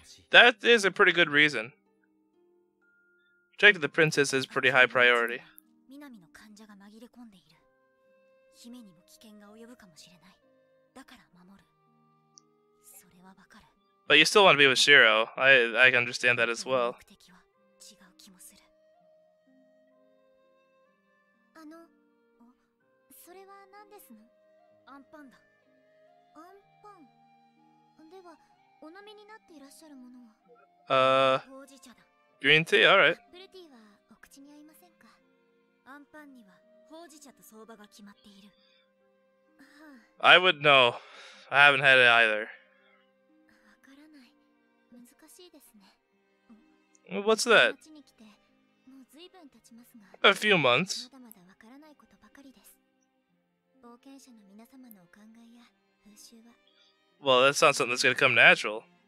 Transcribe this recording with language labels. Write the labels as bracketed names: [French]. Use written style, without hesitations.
[English] That is a pretty good reason. Protecting the princess is pretty high priority. [Japanese] 南の患者が紛れ込んでいる。姫にも危険が及ぶかもしれない。だから守る。それはわかる。 [English] But you still want to be with Shiro. I can understand that as well. [Japanese] 目的は違う気もする。あの、それは何ですの？アンパンだ。アンパン。では、お飲みになっていらっしゃるものは？ほうじ茶だ。 [English] Green tea, all right. [Japanese] プルティはお口に合いませんか？アンパンにはほうじ茶と相場が決まっている。 [English] I would know. I haven't had it either. [Japanese] わからない。難しいですね。 [English] What's that? [Japanese] こっちに来てもう随分経ちますが。 [English] A few months. [Japanese] まだまだわからないことばかりです。冒険者の皆様のお考えや風習は。 [English] Well, that's not something that's going to come natural.